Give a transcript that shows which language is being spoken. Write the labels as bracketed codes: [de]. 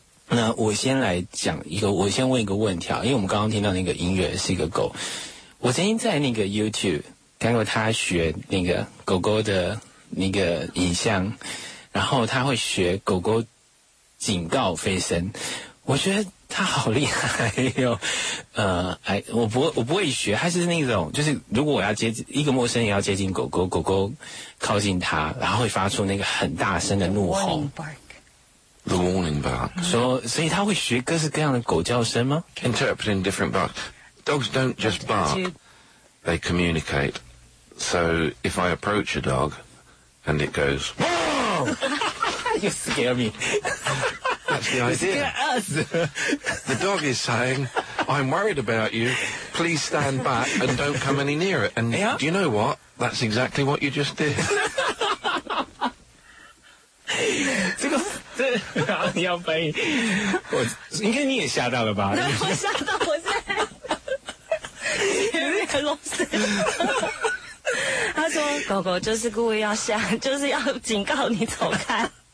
[zh] 那我先来讲一个，我先问一个问题啊，因为我们刚刚听到那个音乐是一个狗，我曾经在那个 YouTube 看过他学那个狗狗的那个影像，然后他会学狗狗警告飞声，我觉得他好厉害哟、哦，我不会学，他是那种，就是如果我要接近一个陌生人，要接近狗狗，狗狗靠近他，然后会发出那个很大声的怒吼 [en] ，the warning bark， [zh] 说，所以他会学各式各样的狗叫声吗 [en] ？Interpreting different barks. Dogs don't just bark, they communicate. So if I approach a dog, and it goes, you scare me. That's the idea. The dog is saying, I'm worried about you, please stand back and don't come any near it. And、yeah? do you know what? That's exactly what you just did. [zh] 这个这你要翻译，我应该你也吓到了吧？我吓到，我现在有点聋子。他说狗狗就是故意要吓，就是要警告你走开。